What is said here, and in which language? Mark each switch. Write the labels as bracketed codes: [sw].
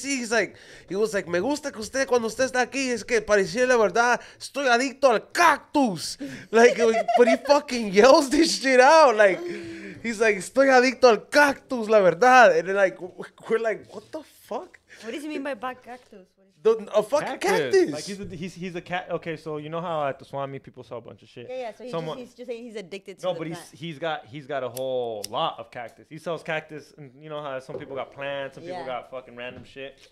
[en] He's like, [es] me gusta que usted, cuando usted está aquí, es que parecía la verdad, estoy adicto al cactus. [en] Like, but he fucking yells this shit out. Like, he's like, [es] estoy adicto al cactus, la verdad. [en] And then like, we're like, what the fuck? What does he mean by bad cactus? A fucking cactus. Like he's a cat. Okay, so you know how at the swami people sell a bunch of shit. Yeah. So he's just saying he's addicted to. No, but he's got a whole lot of cactus. He sells cactus, and you know how some people got plants, some people got fucking random shit.